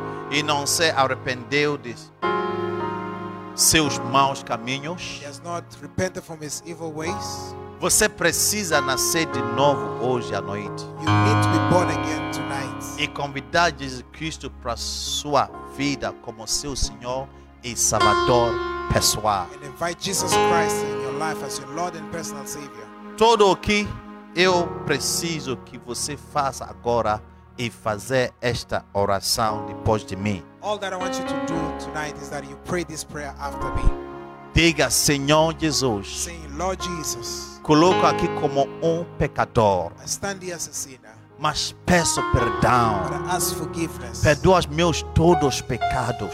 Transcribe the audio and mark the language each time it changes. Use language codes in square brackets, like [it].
[pt] e não se arrependeu de seus maus caminhos. [en] He has not repented from his evil ways. [pt] Você precisa nascer de novo hoje à noite. [en] You need to be born again tonight. [pt] E convidar Jesus Cristo para sua vida como seu Senhor e Salvador pessoal. [en] And invite Jesus Christ in your life as your Lord and personal Savior. [pt] Todo o que eu preciso que você faça agora e fazer esta oração depois de mim. [en] All that I want you to do tonight is that you pray this prayer after me. [pt] Diga, Senhor Jesus. [en] Say, Lord Jesus. [pt] Coloco aqui como pecador. [en] I stand here as a sinner. [pt] Mas peço perdão. [en] But I ask forgiveness. [pt] Perdoa os meus todos pecados.